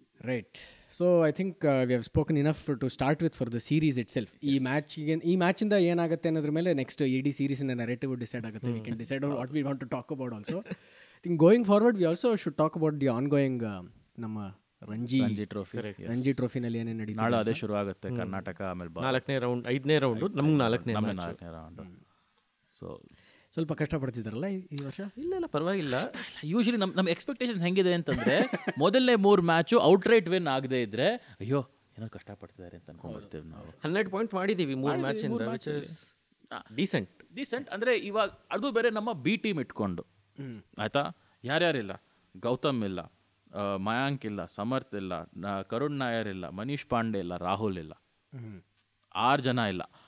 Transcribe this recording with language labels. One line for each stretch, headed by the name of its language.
English: Right, so I think we have spoken enough to start with for the series itself.
Kannada: ಈ ಮ್ಯಾಚ್ಗೆ ಈ ಮ್ಯಾಚಿಂದ ಏನಾಗುತ್ತೆ ಅನ್ನೋದ್ರ ಮೇಲೆ next ಇಡೀ ಸೀರೀಸಿನ ನೆರೇಟಿವ್ ಡಿಸೈಡ್ ಆಗುತ್ತೆ.
English: We can decide on what we want to talk about also. I think going forward we also should talk about the ongoing
Kannada: ನಮ್ಮ ರಂಜಿ ಟ್ರೋಫಿನಲ್ಲಿ ಏನೇ ನಡೀತು. ನಾಳೆ ಅದೇ ಶುರು ಆಗುತ್ತೆ, ಕರ್ನಾಟಕ ಆಮೇಲೆ
English: 4th round 5th round ನಮ್ಗೆ 4th round. So
Kannada: ಸ್ವಲ್ಪ ಕಷ್ಟಪಡ್ತಿದ್ದಾರಲ್ಲ ಈ ವರ್ಷ. ಇಲ್ಲ ಇಲ್ಲ ಪರವಾಗಿಲ್ಲ. ಯೂಶ್ವಲಿ ನಮ್ಮ ಎಕ್ಸ್ಪೆಕ್ಟೇಷನ್ಸ್ ಹೆಂಗಿದೆ ಅಂತಂದರೆ, ಮೊದಲನೇ 3 ಮ್ಯಾಚು ಔಟ್ರೈಟ್ ವಿನ್ ಆಗದೇ ಇದ್ದರೆ ಅಯ್ಯೋ ಏನೋ ಕಷ್ಟಪಡ್ತಿದ್ದಾರೆ ಅಂತ ಅಂದ್ಕೊಂಡ್ಬಿಡ್ತೀವಿ ನಾವು. 100 points ಮಾಡಿದ್ದೀವಿ 3 ಮ್ಯಾಚಿಂದ.
English: decent
Kannada: ಅಂದರೆ ಇವಾಗ ಅದು ಬೇರೆ, ನಮ್ಮ ಬಿ ಟೀಮ್ ಇಟ್ಕೊಂಡು ಆಯಿತಾ, ಯಾರ್ಯಾರಿಲ್ಲ, ಗೌತಮ್ ಇಲ್ಲ, ಮಯಾಂಕ್ ಇಲ್ಲ, ಸಮರ್ಥ್ ಇಲ್ಲ, ಕರುಣ್ ನಾಯರ್ ಇಲ್ಲ, ಮನೀಶ್ ಪಾಂಡೆ ಇಲ್ಲ, ರಾಹುಲ್ ಇಲ್ಲ, 6 ಜನ ಇಲ್ಲ.